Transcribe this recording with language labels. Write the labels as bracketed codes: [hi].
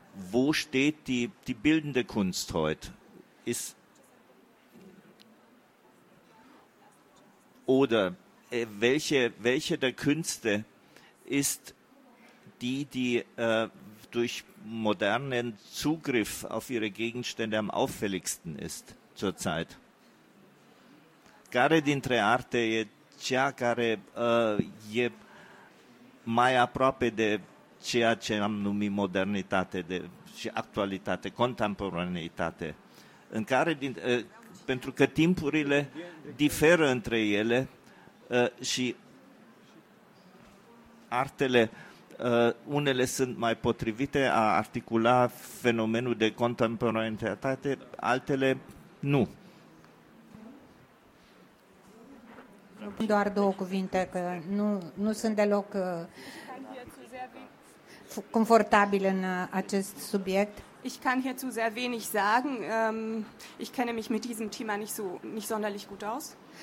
[de] Wo steht die bildende Kunst heute? Ist oder welche der Künste ist die durch modernen Zugriff auf ihre Gegenstände am auffälligsten ist zurzeit? [ro] Care dintre arte e cea care e mai aproape de ceea ce am numit modernitate și actualitate, contemporaneitate? În care pentru că timpurile diferă între ele și artele Unele sunt mai potrivite a articula fenomenul de contemporaneitate, altele nu. Doar două cuvinte, că nu sunt deloc confortabil în acest subiect. [de] Ich kann hierzu sehr wenig sagen. Ich kenne mich mit diesem Thema nicht sonderlich gut aus.